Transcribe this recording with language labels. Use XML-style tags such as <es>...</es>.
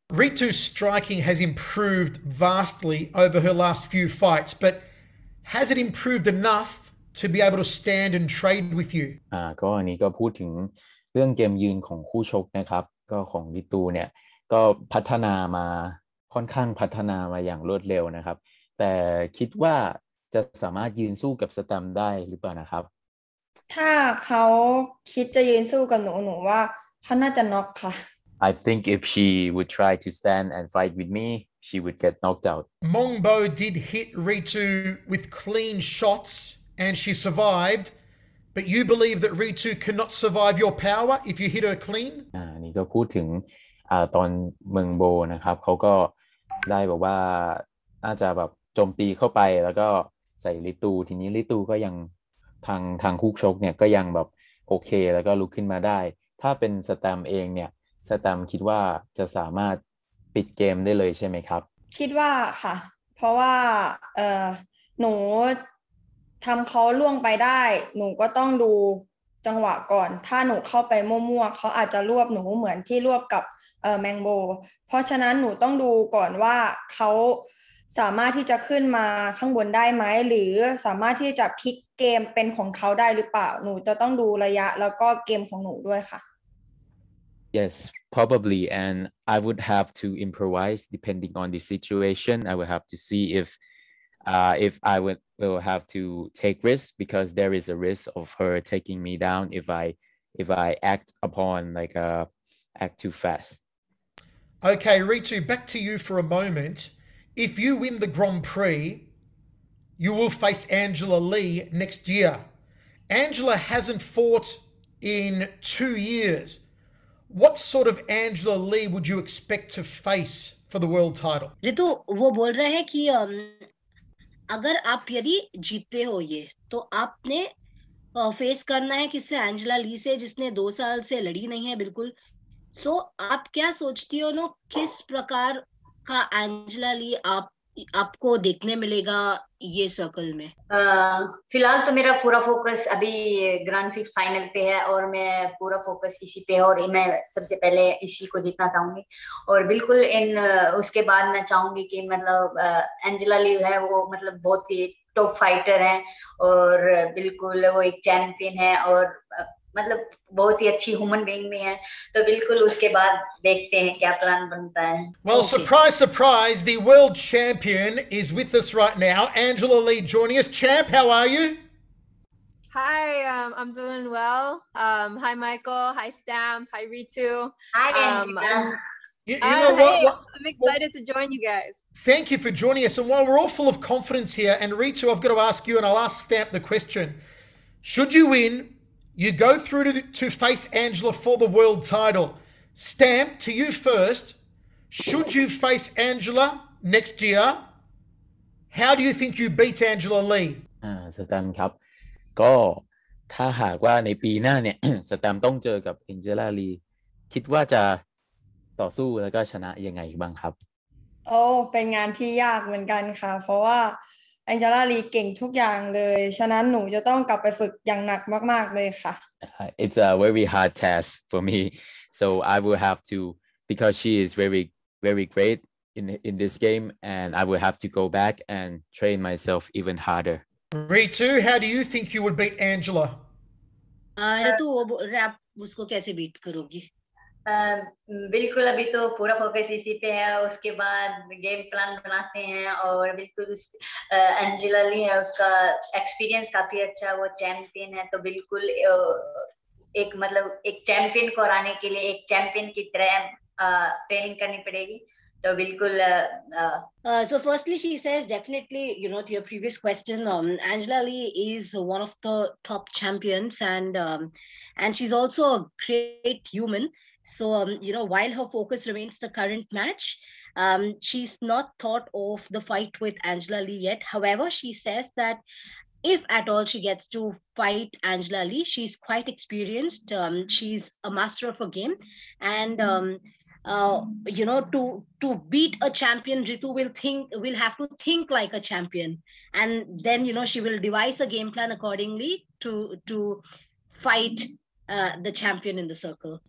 <en>Ritu's striking has improved vastly over her last few fights, but has it improved enough to be able to stand and trade with you?</en> <th>ก็อันนี้ก็พูดถึงเรื่องเกมยืนของคู่ชกนะครับก็ของริตูเนี่ยก็พัฒนามาค่อนข้างพัฒนามาอย่างรวดเร็วนะครับแต่คิดว่าจะสามารถยืนสู้กับสแตมได้หรือเปล่านะครับ ถ้าเขาคิดจะยืนสู้กับหนูว่าเขาน่าจะน็อกค่ะ</th> <en>I think if she would try to stand and fight with me, she would get knocked out. Mongbo did hit Ritu with clean shots and she survived, but you believe that Ritu cannot survive your power if you hit her clean?</en> <th>นี่ก็พูดถึงตอนเมืองโบนะครับเขาก็ได้บอกว่าน่าจะแบบโจมตีเข้าไปแล้วก็ใส่ริตูทีนี้ริตูก็ยังทางคู่ชกเนี่ยก็ยังแบบโอเคแล้วก็ลุกขึ้นมาได้ถ้าเป็นสแตมเองเนี่ยสแตมคิดว่าจะสามารถปิดเกมได้เลยใช่ไหมครับ คิดว่าค่ะเพราะว่าหนูทำเขาล่วงไปได้หนูก็ต้องดูจังหวะก่อนถ้าหนูเข้าไปมั่วๆเขาอาจจะรวบหนูเหมือนที่รวบกับแมงโบเพราะฉะนั้นหนูต้องดูก่อนว่าเขาสามารถที่จะขึ้นมาข้างบนได้ไหมหรือสามารถที่จะพลิกเกมเป็นของเขาได้หรือเปล่าหนูจะต้องดูระยะแล้วก็เกมของหนูด้วยค่ะ</th> <en>Yes probably and I would have to improvise depending on the situation I would have to see if I will have to take risk because there is a risk of her taking me down if I act upon like act too fast Okay Ritu back to you for a momentIf you win the Grand Prix, you will face Angela Lee next year. Angela hasn't fought in 2 years. What sort of Angela Lee would you expect to face for the world title?</en> <hi>Ritu, वो बोल रहे हैं कि अगर आप यदि जीतते हो ये, तो आपने face करना है किससे Angela Lee से, जिसने 2 साल से लड़ी नहीं है बिल्कुल. So आप क्या सोचती हो नो किस प्रकार का एंजेला ली आपको देखने मिलेगा ये सर्कल में फिलहाल तो मेरा पूरा फोकस अभी ग्रैंड प्रिक्स फाइनल पे है और मैं पूरा फोकस इसी पे है और मैं सबसे पहले इसी को जीतना चाहूंगी और बिल्कुल इन उसके बाद मैं चाहूंगी कि मतलब एंजेला ली है वो मतलब बहुत ही टॉप फाइटर है और बिल्कुल वो एक चैंपियन है और मतलब बहुत ही अच्छी ह्यूमन बीइंग में है तो बिल्कुल उसके बाद देखते हैं क्या प्लान बनता है</hi> <en>Well, surprise, surprise, the world champion is with us right now. Angela Lee joining us. Champ, how are you? Hi, I'm doing well. Hi, Michael. Hi, Stamp. Hi, Ritu. Hi, Angela. I'm excited to join you guys. Thank you for joining us. And while we're all full of confidence here, and Ritu, I've got to ask you, and I'll ask Stamp the question. Should you win, you go through to face Angela for the world title. Stamp, to you first. Should you face Angela next year? How do you think you beat Angela Lee?</en> <th>Stamp, ครับก็ถ้าหากว่าในปีหน้าเนี่ย Stamp ต้องเจอกับ Angela Lee คิดว่าจะต่อสู้แล้วก็ชนะยังไงบ้างครับ โอ้ เป็นงานที่ยากเหมือนกันค่ะเพราะว่า Angela Lee เก่งทุกอย่างเลยฉะนั้นหนูจะต้องกลับไปฝึกอย่างหนักมากๆเลยค่ะ</th> <en>It's a very hard task for me so I will have toBecause she is very, very great in this game, and I will have to go back and train myself even harder. Ritu, how do you think you would beat Angela? Ritu, how will you beat her?</en> <hi>बिल्कुल अभी तो पूरा focus इसी पे है उसके बाद game plan बनाते हैं और बिल्कुल उस एंजेला ली है उसका एक्सपीरियंस काफी अच्छा वो चैंपियन है तो बिल्कुल एक मतलब एक चैंपियन को हराने के लिए एक चैंपियन की तरह ट्रेनिंग करनी पड़ेगी तो बिल्कुल</hi> <en>So firstly she says definitely you know to your previous question Angela Lee is one of the top champions and she is also a great human so you know while her focus remains the current match she is not thought of the fight with Angela Lee yet however she says that if at all she gets to fight Angela Lee, she's quite experienced. She's a master of a game. And, you know, to beat a champion, Ritu will have to think like a champion. And then, you know, she will devise a game plan accordingly to fight the champion in the circle.</en>